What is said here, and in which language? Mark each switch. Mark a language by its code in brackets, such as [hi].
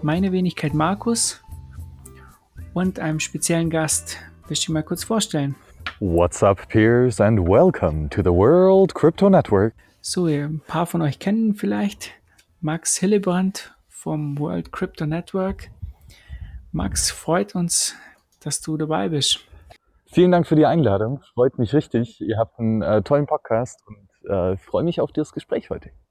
[de] Meine Wenigkeit Markus. Und einem speziellen Gast. Willst du dich mal kurz vorstellen? [en] What's up, Peers, and welcome to the World Crypto Network. [de] So, ein paar von euch kennen vielleicht Max Hillebrand vom World Crypto Network. Max, freut uns, dass du dabei bist. Vielen Dank für die Einladung. Freut mich richtig. Ihr habt einen tollen Podcast und freue mich auf das Gespräch heute.